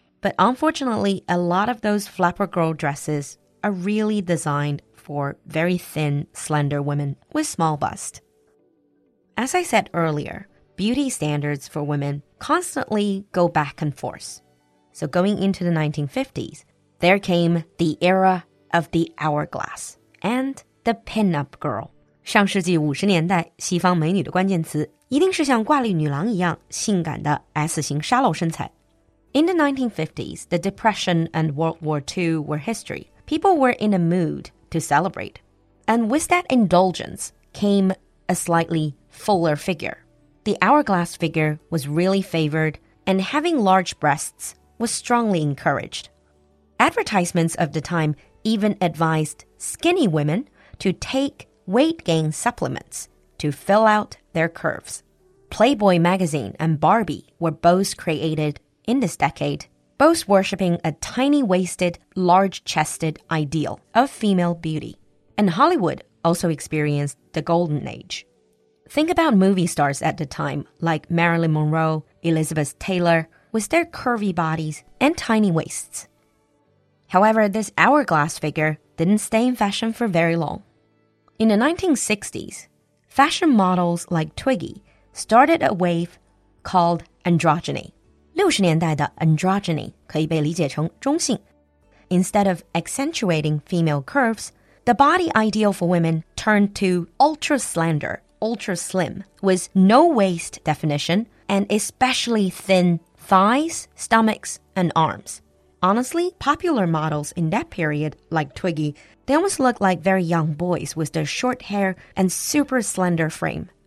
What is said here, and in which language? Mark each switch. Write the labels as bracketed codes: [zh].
[en] But unfortunately, a lot of those flapper girl dresses are really designed for very thin, slender women with small bust. As I said earlier, beauty standards for women constantly go back and forth. So going into the 1950s, there came the era of the hourglass and... The pin-up girl. [zh] 上世纪五十年代西方美女的关键词一定是像挂历女郎一样性感的 S 型沙漏身材。 [en] In the 1950s, the Depression and World War II were history. People were in a mood to celebrate. And with that indulgence came a slightly fuller figure. The hourglass figure was really favored, and having large breasts was strongly encouraged. Advertisements of the time even advised skinny women... to take weight gain supplements to fill out their curves. Playboy magazine and Barbie were both created in this decade, both worshipping a tiny-waisted, large-chested ideal of female beauty. And Hollywood also experienced the golden age. Think about movie stars at the time, like Marilyn Monroe, Elizabeth Taylor, with their curvy bodies and tiny waists. However, this hourglass figure didn't stay in fashion for very long. In the 1960s, fashion models like Twiggy started a wave called androgyny. [zh] 60年代的 androgyny 可以被理解成中性。 [en] Instead of accentuating female curves, the body ideal for women turned to ultra slender, ultra slim, with no waist definition, and especially thin thighs, stomachs, and arms. Honestly, popular models in that period, like Twiggy, they almost looked like very young boys with their short hair and super slender frame.